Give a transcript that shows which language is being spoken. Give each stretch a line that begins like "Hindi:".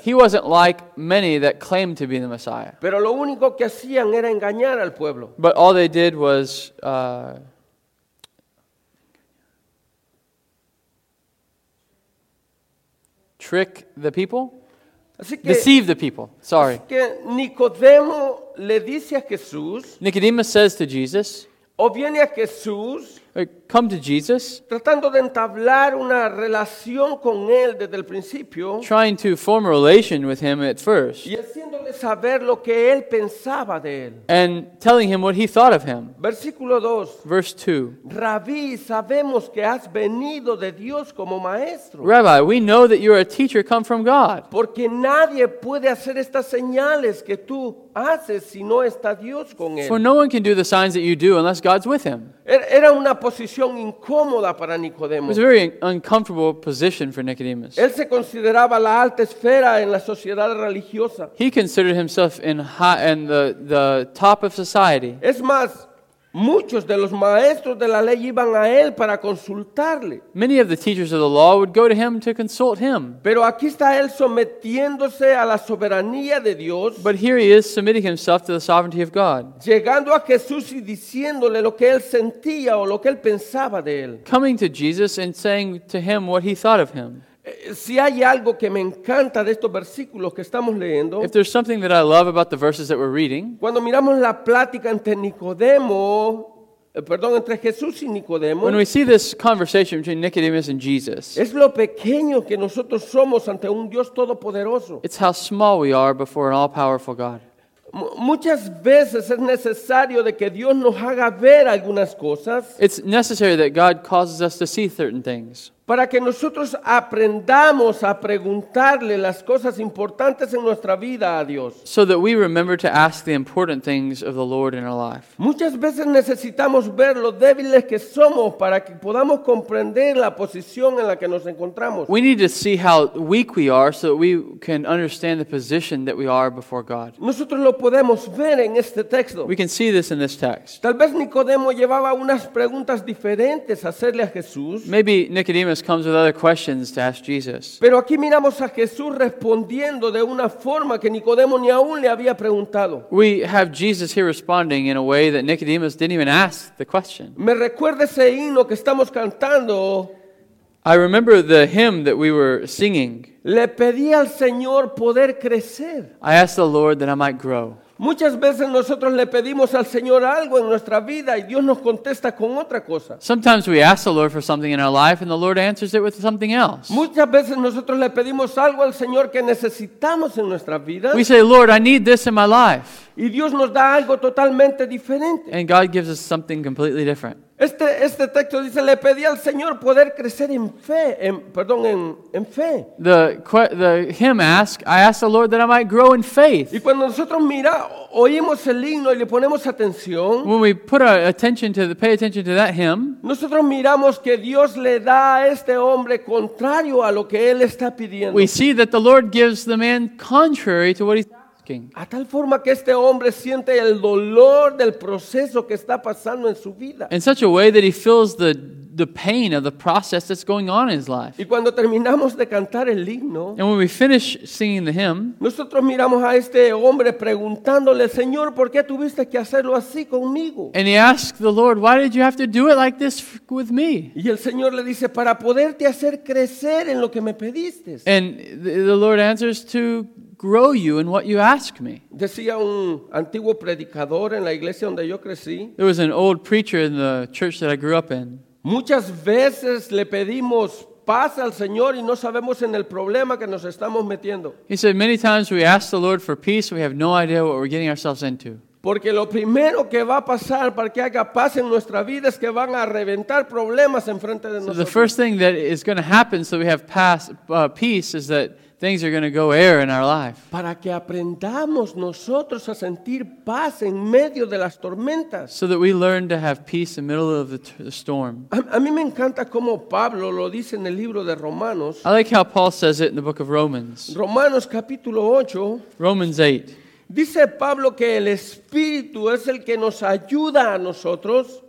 English: He wasn't like many that claimed to be the Messiah.
Spanish: Pero lo único que hacían era engañar al pueblo.
English: But all they did was trick the people.
Spanish: Así que,
English: deceive the people. Sorry.
Spanish: Así que Nicodemo le dice a Jesús,
English: Nicodemus says to Jesus,
Spanish: o viene a Jesús,
English: come to Jesus,
Spanish: tratando de entablar una relación con él desde el principio,
English: trying to form a relation with him at first,
Spanish: y haciéndole saber lo que él pensaba de él,
English: and telling him what he thought of him.
Spanish: Versículo 2.
English: Verse 2.
Spanish: Rabí, sabemos que has venido de Dios como maestro.
English: Rabbi, we know that you're a teacher come from God.
Spanish: Porque nadie puede hacer estas señales que tú haces si no está Dios con él.
English: For no one can do the signs that you do unless God's with him.
Spanish: Era una posición incómoda para Nicodemo.
English: It was a very uncomfortable position for Nicodemus.
Spanish: Él se consideraba la alta esfera en la sociedad religiosa.
English: He considered himself in high and the top of society.
Spanish: Es más, muchos de los maestros de la ley iban a él para consultarle.
English: Many of the teachers of the law would go to him to consult him.
Spanish: Pero aquí está él sometiéndose a la soberanía de Dios.
English: But here he is submitting himself to the sovereignty of God.
Spanish: Llegando a Jesús y diciéndole lo que él sentía o lo que él pensaba de él.
English: Coming to Jesus and saying to him what he thought of him.
Spanish: Si hay algo que me encanta de estos versículos que estamos leyendo,
English: if there's something that I love about the verses that we're reading,
Spanish: cuando miramos la plática entre Nicodemo, entre Jesús y Nicodemo,
English: when we see this conversation between Nicodemus and Jesus,
Spanish: es lo pequeño que nosotros somos ante un Dios todopoderoso.
English: It's how small we are before an all-powerful God.
Spanish: Muchas veces es necesario de que Dios nos haga ver algunas cosas.
English: It's necessary that God causes us to see certain things.
Spanish: Para que nosotros aprendamos a preguntarle las cosas importantes en nuestra vida a Dios.
English: So that we remember to ask the important things of the Lord in our life.
Spanish: Muchas veces necesitamos ver lo débiles que somos para que podamos comprender la posición en la que nos encontramos.
English: We need to see how weak we are so that we can understand the position that we are before God.
Spanish: Nosotros lo podemos ver en este texto.
English: We can see this in this text.
Spanish: Tal vez Nicodemo llevaba unas preguntas diferentes a hacerle a Jesús.
English: Maybe Nicodemus comes with other questions to ask Jesus.
Spanish: Pero aquí miramos a Jesús respondiendo de una forma que Nicodemo ni aún le había preguntado.
English: We have Jesus here responding in a way that Nicodemus didn't even ask the question.
Spanish: Me recuerda ese himno que estamos cantando.
English: I remember the hymn that we were singing.
Spanish: Le pedí al Señor poder crecer.
English: I asked the Lord that I might grow.
Spanish: Muchas veces nosotros le pedimos al Señor algo en nuestra vida y Dios nos contesta con otra cosa.
English: Sometimes we ask the Lord for something in our life and the Lord answers it with something else.
Spanish: Muchas veces nosotros le pedimos algo al Señor que necesitamos en nuestra vida.
English: We say, Lord, I need this in my life.
Spanish: Y Dios nos da algo totalmente diferente.
English: And God gives us something completely different.
Spanish: Este texto dice, le pedí al Señor poder crecer en fe, en fe.
English: The hymn asks, I asked the Lord that I might grow in faith.
Spanish: Y cuando nosotros oímos el himno y le ponemos atención,
English: when we put our attention to pay attention to that hymn,
Spanish: nosotros miramos que Dios le da a este hombre contrario a lo que él está pidiendo.
English: We see that the Lord gives the man contrary to what he's asking.
Spanish: A tal forma que este hombre siente el dolor del proceso que está pasando en su vida.
English: In such a way that he feels the the pain of the process that's going on in his life.
Spanish: Y cuando terminamos de cantar el himno,
English: and when we finish singing the hymn,
Spanish: nosotros miramos a este hombre preguntándole, Señor, ¿por qué tuviste que hacerlo así conmigo?
English: And he asks the Lord, why did you have to do it like this with me?
Spanish: Y el Señor le dice, para poderte hacer crecer en lo que me pediste.
English: And the Lord answers to grow you in what you ask me.
Spanish: Decía un antiguo predicador en la iglesia donde yo crecí.
English: There was an old preacher in the church that I grew up in.
Spanish: Muchas veces le pedimos paz al Señor y no sabemos en el problema que nos estamos metiendo.
English: He said many times we ask the Lord for peace, we have no idea what we're getting ourselves into.
Spanish: Porque lo primero que va a pasar para que haya paz en nuestra vida es que van a reventar problemas enfrente de nosotros.
English: So the first thing that is going to happen so we have peace is that things are going to go air in our life.
Spanish: Para que aprendamos nosotros a sentir paz en medio de las tormentas.
English: So that we learn to have peace in the middle of the storm.
Spanish: A mí me encanta como Pablo lo dice en el libro de Romanos.
English: I like how Paul says it in the book of Romans.
Spanish: Romanos capítulo 8.
English: Romans 8.
Spanish: Dice Pablo que el Espíritu es el que nos ayuda a nosotros.